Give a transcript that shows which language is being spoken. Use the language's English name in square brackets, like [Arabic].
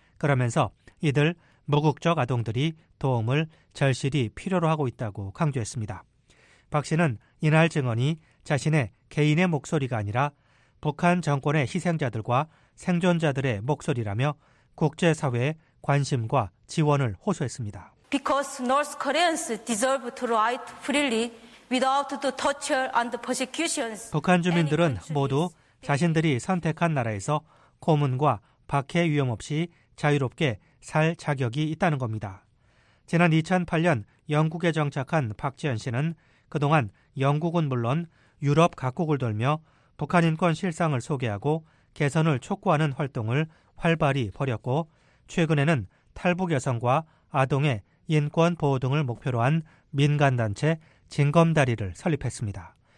[Korean] 그러면서 이들 무국적 아동들이 도움을 절실히 필요로 하고 있다고 강조했습니다. 박 씨는 이날 증언이 자신의 개인의 목소리가 아니라 북한 정권의 희생자들과 생존자들의 목소리라며 국제사회의 관심과 지원을 호소했습니다. [English] Because North Koreans deserve to write freely without the torture and persecutions. [Korean] 북한 주민들은 모두 자신들이 선택한 나라에서 고문과 박해 위험 없이 자유롭게 살 자격이 있다는 겁니다. 지난 2008년 영국에 정착한 박지현 씨는 그동안 영국은 물론 유럽 각국을 돌며 북한 인권 실상을 소개하고 개선을 촉구하는 활동을 활발히 벌였고 최근에는 탈북 여성과 아동의 인권 보호 등을 목표로 한 민간단체 진검다리를 설립했습니다.